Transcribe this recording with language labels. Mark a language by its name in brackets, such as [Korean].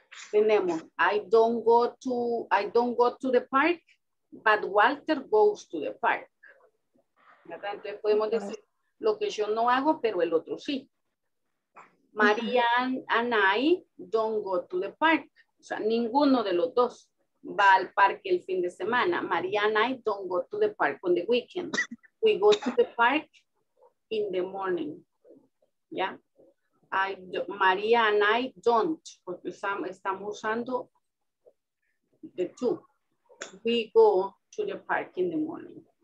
[English] Tenemos, I don't go to the park, but Walter goes to the park. [Spanish] ¿Verdad? Entonces podemos decir lo que yo no hago, pero el otro sí. [English] María and I don't go to the park. [Spanish] O sea, ninguno de los dos va al parque el fin de semana. [English] María and I don't go to the park on the weekend. We go to the park in the morning. ¿Ya? María and I don't, [Spanish] porque estamos usando [English] the two. We go to the park in the morning.